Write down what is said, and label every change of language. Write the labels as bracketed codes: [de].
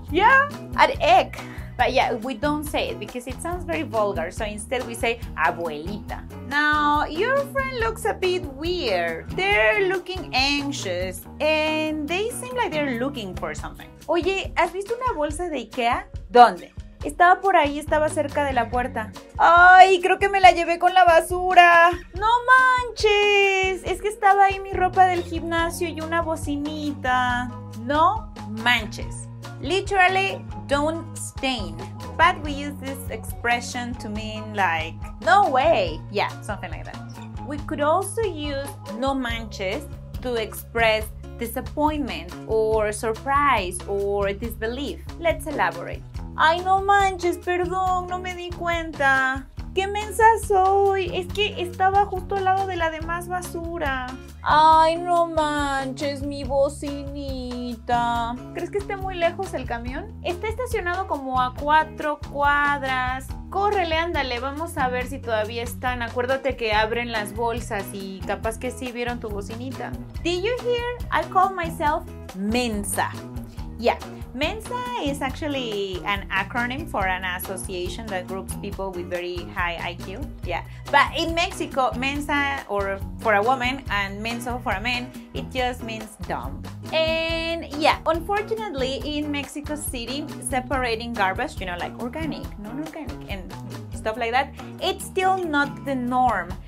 [en] Yeah, at egg. But yeah, we don't say it because it sounds very vulgar. So instead we say abuelita. Now, your friend looks a bit weird. They're looking anxious and they seem like they're looking for something. [es] Oye, ¿has visto una bolsa de Ikea? ¿Dónde? Estaba por ahí, estaba cerca de la puerta. ¡Ay, creo que me la llevé con la basura! ¡No manches! Es que estaba ahí mi ropa del gimnasio y una bocinita. [en] No manches. Literally, don't stain. But we use this expression to mean like, no way. Yeah, something like that. We could also use no manches to express disappointment or surprise or disbelief. Let's elaborate. [es] Ay, no manches, perdón, no me di cuenta. ¿Qué mensa soy? Es que estaba justo al lado de la demás basura. Ay, no manches, mi bocinita. ¿Crees que esté muy lejos el camión? Está estacionado como a 4 cuadras. Córrele, ándale, vamos a ver si todavía están. Acuérdate que abren las bolsas y capaz que sí vieron tu bocinita. [en] Did you hear? I call myself Mensa. Yeah. MENSA is actually an acronym for an association that groups people with very high IQ. Yeah, but in Mexico, MENSA or for a woman and MENSO for a man, it just means dumb. And yeah, unfortunately, in Mexico City, separating garbage, you know, like organic, non-organic, and stuff like that, it's still not the norm.